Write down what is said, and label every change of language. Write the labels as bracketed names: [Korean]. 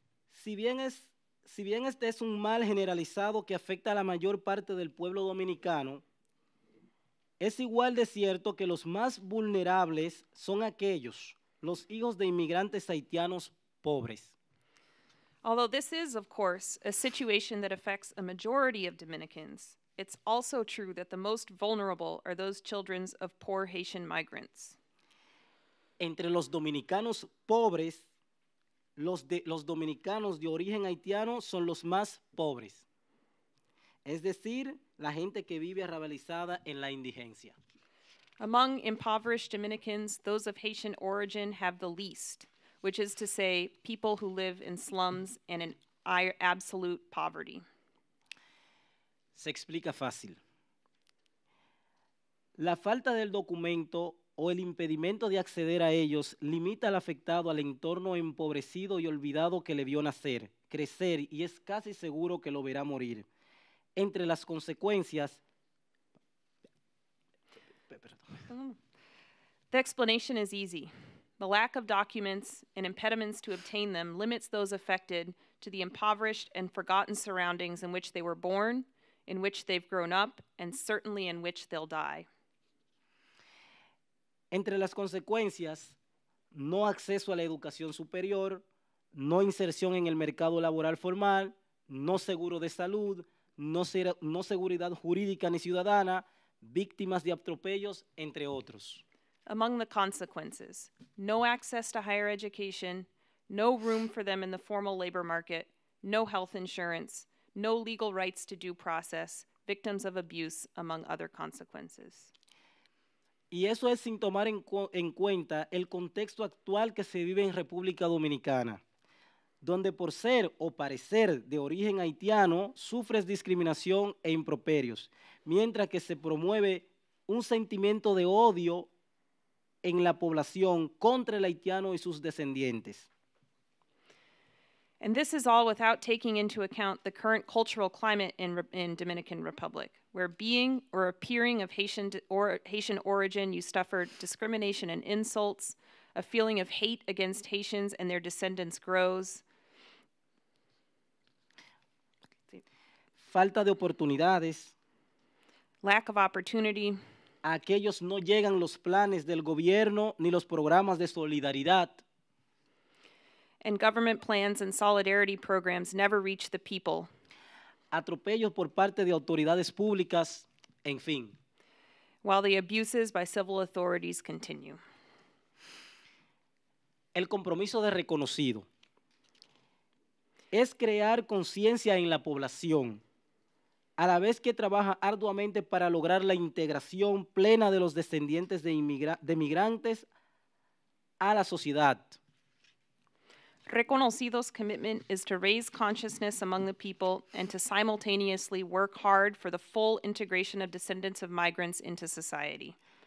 [Spanish] Si bien este es un mal generalizado que afecta a la mayor parte del pueblo dominicano, es igual de cierto que los más vulnerables son aquellos, los hijos de inmigrantes haitianos pobres. [English] Although this is, of course, a situation that affects a majority of Dominicans, it's also true that the most vulnerable are those children of poor Haitian migrants. [Spanish] Entre los dominicanos pobres, Los dominicanos de origen haitiano son los más pobres. Es decir, la gente que vive arrabalizada en la indigencia. [English] Among impoverished Dominicans, those of Haitian origin have the least, which is to say, people who live in slums and in absolute poverty. [Spanish] Se explica fácil. La falta del documento o el impedimento de acceder a ellos limita al afectado al entorno empobrecido y olvidado que le vio nacer, crecer, y es casi seguro que lo verá morir. Entre las consecuencias... [English] The explanation is easy. The lack of documents and impediments to obtain them limits those affected to the impoverished and forgotten surroundings in which they were born, in which they've grown up, and certainly in which they'll die. [Spanish] Entre las consecuencias, no acceso a la educación superior, no inserción en el mercado laboral formal, no seguro de salud, no seguridad jurídica ni ciudadana, víctimas de atropellos, entre otros. [English] Among the consequences, no access to higher education, no room for them in the formal labor market, no health insurance, no legal rights to due process, victims of abuse, among other consequences. [Spanish] Y eso es sin tomar en cuenta el contexto actual que se vive en República Dominicana, donde por ser o parecer de origen haitiano, sufres discriminación e improperios, mientras que se promueve un sentimiento de odio en la población contra el haitiano y sus descendientes. [English] And this is all without taking into account the current cultural climate in Dominican Republic, where being or appearing of Haitian origin, you suffer discrimination and insults, a feeling of hate against Haitians and their descendants grows. [Spanish] Falta de oportunidades. [English] Lack of opportunity. [Spanish] A aquellos no llegan los planes del gobierno ni los programas de solidaridad. [English] and government plans and solidarity programs never reach the people. [Spanish] Atropellos por parte de autoridades públicas, en fin. [English] While the abuses by civil authorities continue. [Spanish] El compromiso de Reconocido es crear conciencia en la población a la vez que trabaja arduamente para lograr la integración plena de los descendientes de migrantes a la sociedad. [English] Reconocido's commitment is to raise consciousness among the people and to simultaneously work hard for the full integration of descendants of migrants into society.